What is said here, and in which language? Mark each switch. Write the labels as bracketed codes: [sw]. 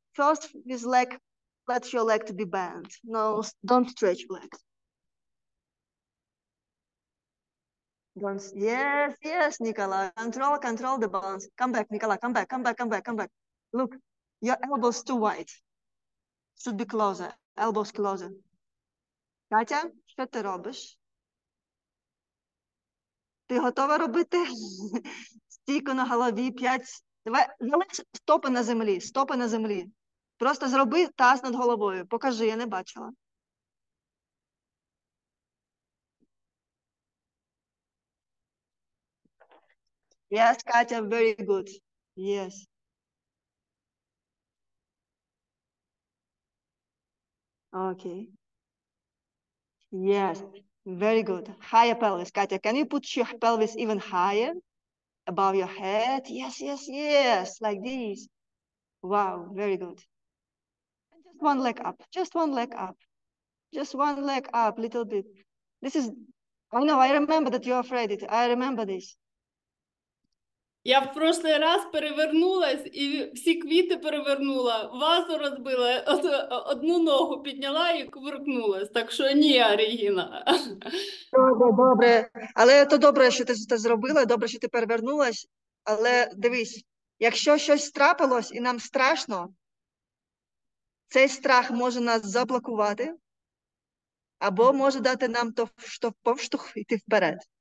[en] First, this leg, let your leg to be bent. No, don't stretch legs. Yes, yes, Nicola. Control, control the balance. Come back, Nicola, come back, come back, come back, come back. Look, your elbows too wide. Should be closer. Elbows closer. [uk] Katya, що ти робиш? Ти готова робити? Стійко на голові, п'ять. Давай, залиш стопи на землі, стопи на землі. Просто зроби таз над головою. Покажи, я не бачила. [en] Yes, Katya, very good. Yes. Okay. Yes, very good. Higher pelvis, Katya. Can you put your pelvis even higher above your head? Yes, yes, yes, like this. Wow, very good. And just one leg up, just one leg up. Just one leg up, little bit. This is, I know, I remember that you're afraid it. I remember this. [uk] Я в прошлий раз перевернулась і всі квіти перевернула, вазу розбила, одну ногу підняла і кувиркнулась. Так що ні, Регіна. Добре, добре. Але то добре, що ти це зробила, добре, що ти перевернулась. Але дивись, якщо щось трапилось і нам страшно, цей страх може нас заблокувати або може дати нам повштовх йти вперед.